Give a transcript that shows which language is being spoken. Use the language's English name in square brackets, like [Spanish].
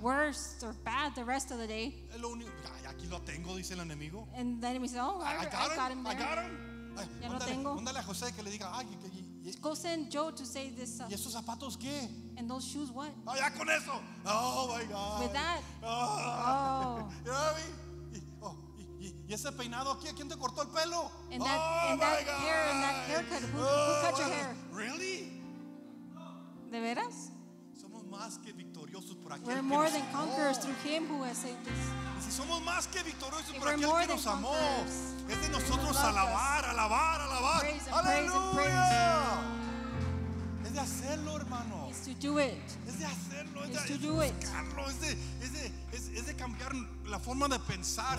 [English] Worse or bad the rest of the day. [Spanish] Lo único, aquí lo tengo, dice el enemigo. [English] And the enemy says, oh, I got him there. I got him. [Spanish] Ya lo tengo. Mándale a José que le diga, ay, que [English] go send Joe to say this stuff. [Spanish] ¿Y esos zapatos qué? [English] And those shoes what? Oh, [Spanish] ya con eso. [English] Oh my God. With that. [Spanish] Oh. Oh. ¿Y ese peinado aquí? ¿Quién te cortó el pelo? [English] And that, oh, and that God. Hair and that haircut. Who cut your hair? Really? [Spanish] ¿De veras? Somos más que victoriosos por aquel [English] we're que more nos than conquerors through him who has saved us. [Spanish] Si somos más que victoriosos por aquel que nos amó. Es de nosotros alabar, alabar, alabar. Aleluya. Es de hacerlo, hermano. [English] It's to do it. [Spanish] Es de hacerlo. [English] It's to do it. [Spanish] Buscarlo. Es de cambiar la forma de pensar.